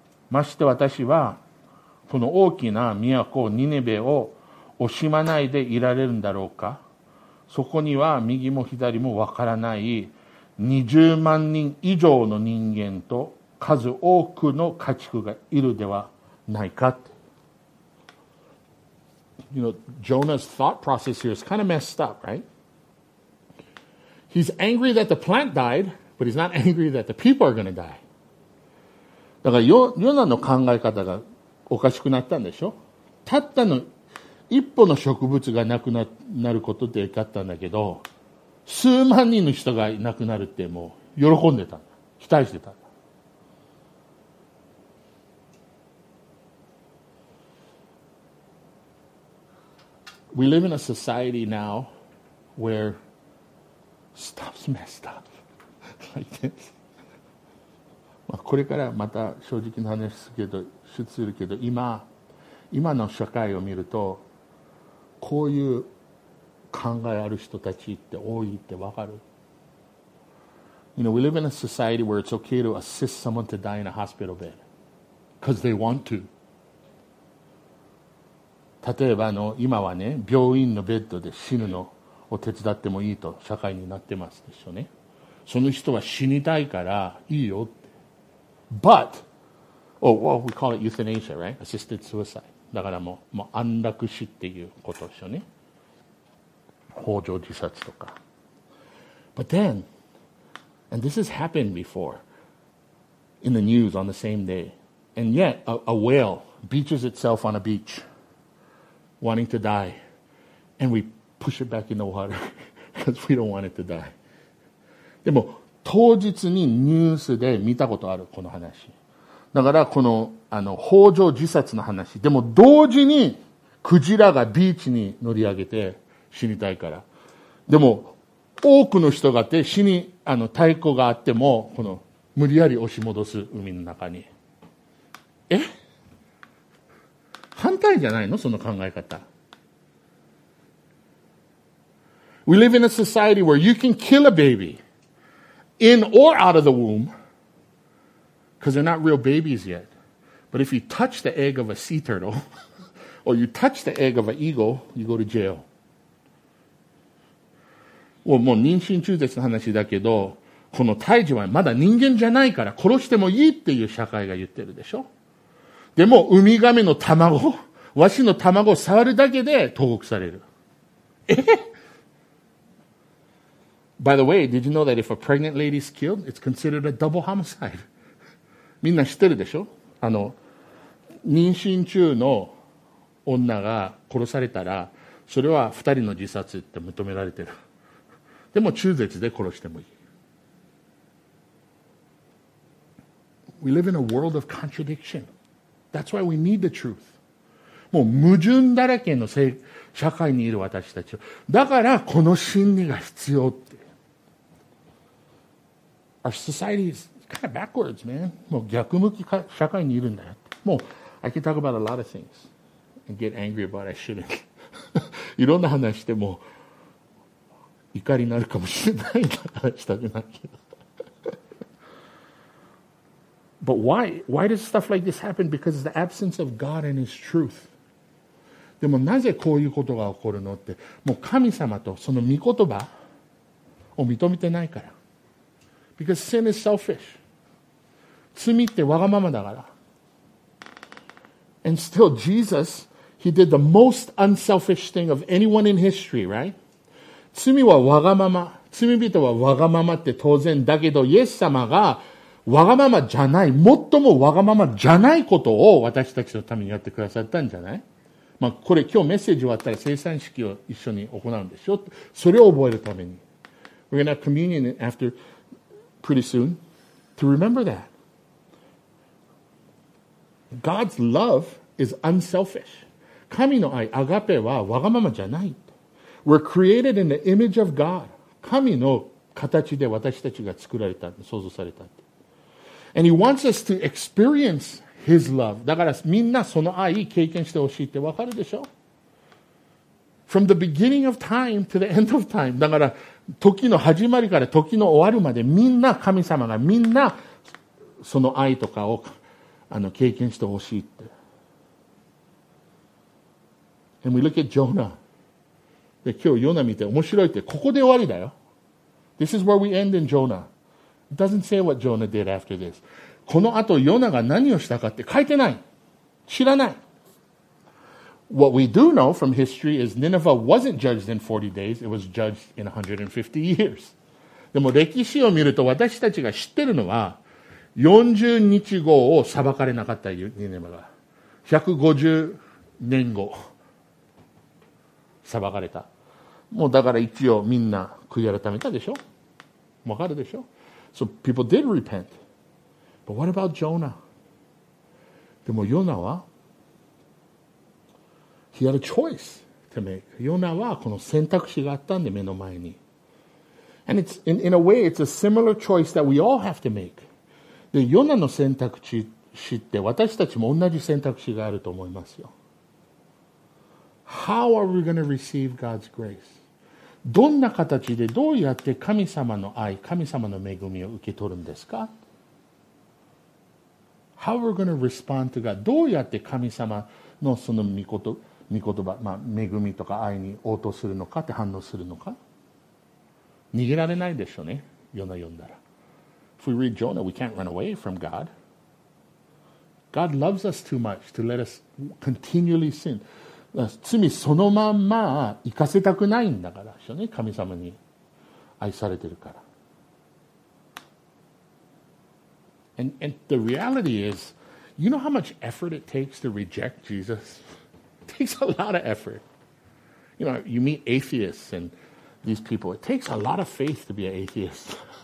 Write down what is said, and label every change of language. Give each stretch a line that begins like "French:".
Japanese: まして私はこの大きな都ニネベを惜しまないでいられるんだろうか。そこには右も左もわからない20万人以上の人間と数多くの家畜がいるではないか。
English: You know, Jonah's thought process here is kind of messed up, right? He's angry that the plant died, but he's not angry that the people are going to die.
Japanese: だからヨナの考え方がおかしくなったんでしょ。たったの一歩の植物がなくなることってよかったんだけど、数万人の人がいなくなるってもう喜んでた、期待してた。
English: We live in a society now where stuff's messed up like this.
Japanese: まあこれからまた正直な話するけど、今の社会を見るとこういう考えある人たちって多いってわかる。
English: You know, we live in a society where it's okay to assist someone to die in a hospital bed because they want to.
Japanese: 例えば今はね、病院のベッドで死ぬのを手伝ってもいいと社会になってますでしょうね。その人は死にたいからいいよって。
English: But, oh, well, we call it euthanasia, right? Assisted suicide.
Japanese: だからもう安楽死っていうことですよね。放縄自殺とか。
English: But then, and this has happened before in the news on the same day, and yet a whale beaches itself on a beach, wanting to die, and we push it back in the water because we don't want it to die.
Japanese: でも当日にニュースで見たことあるこの話。だからこの放縄自殺の話でも同時にクジラがビーチに乗り上げて死にたいから、でも多くの人がて死に太鼓があってもこの無理やり押し戻す海の中に、え、反対じゃないのその考え方。
English: We live in a society where you can kill a baby in or out of the wombBecause they're not real babies yet. But if you touch the egg of a sea turtle, or you touch the egg of an eagle, you go to jail.
Japanese: Well, もう妊娠中絶の話だけど、この胎児はまだ人間じゃないから殺してもいいっていう社会が言ってるでしょ。でも、ウミガメの卵、ワシの卵を触るだけで投獄される。
English: え?By the way, did you know that if a pregnant lady is killed, it's considered a double homicide?
Japanese: みんな知ってるでしょ。妊娠中の女が殺されたら、それは二人の自殺って認められてる。でも中絶で殺してもいい。
English: We live in a world of contradiction. That's why we need the truth.
Japanese: もう矛盾だらけの社会にいる私たち。だからこの真理が必要って。
English: Our society is. Kind of backwards, man.
Japanese: もう逆向き社会にいるんだよ。
English: もう I can talk about a lot of things and get angry about I shouldn't.
Japanese: いろんな話しても怒りになるかもしれないな、したくないけど。
English: But why does stuff like this happen? Because it's the absence of God and His truth.
Japanese: でもなぜこういうことが起こるのって、もう神様とその御言葉を認めてないから。
English: Because sin is selfish.
Japanese: 罪ってわがままだから。
English: And still Jesus, he did the most unselfish thing of anyone in history, right?
Japanese: 罪はわがまま。罪人はわがままって当然だけど、イエス様がわがままじゃない、最もわがままじゃないことを私たちのためにやってくださったんじゃない? まあこれ今日メッセージ終わったら聖餐式を一緒に行うんでしょ。それを覚えるために。
English: We're gonna have communion after...Pretty soon, to remember that. God's love is unselfish.
Japanese: 神の愛、アガペはわがままじゃない。
English: We're created in the image of God.
Japanese: 神の形で私たちが作られた、創造された。
English: And he wants us to experience his love.
Japanese: だからみんなその愛経験してほしいってわかるでしょ?
English: From the beginning of time to the end of time.
Japanese: だから時の始まりから時の終わるまでみんな神様がみんなその愛とかを経験してほしいって。
English: And we look at Jonah.
Japanese: で今日ヨナ見て面白いってここで終わりだよ。
English: This is where we end in Jonah. It doesn't say what Jonah did after this.
Japanese: この後ヨナが何をしたかって書いてない。知らない。
English: What we do know from history is Nineveh wasn't judged in 40 days. It was judged in 150 years.
Japanese: でも歴史を見ると私たちが知ってるのは40日後を裁かれなかったニネベが150年後裁かれた。もうだから一応みんな悔い改めたでしょ。わかるでしょ。
English: So people did repent. But what about Jonah?
Japanese: でもヨナは
English: He had a choice to make.
Japanese: ヨナはこの選択肢があったんで目の前に。
English: And it's, in a way, it's a similar choice that we all have to make.
Japanese: でヨナの選択肢って私たちも同じ選択肢があると思いますよ。
English: How are we going to receive God's grace?
Japanese: どんな形でどうやって神様の愛、神様の恵みを受け取るんですか?
English: How are we going to respond to God?
Japanese: どうやって神様のその御言葉、まあ、恵みとか愛に応答するのかって反応するのか? 逃げられないでしょうね、ヨナ読んだら。
English: If we read Jonah, we can't run away from God. God loves us too much to let us continually sin.
Japanese: 罪そのまんま行かせたくないんだから、ね、神様に愛されてるから。
English: And the reality is, you know how much effort it takes to reject Jesus? It takes a lot of effort. You know, you meet atheists and these people, it takes a lot of faith to be an atheist.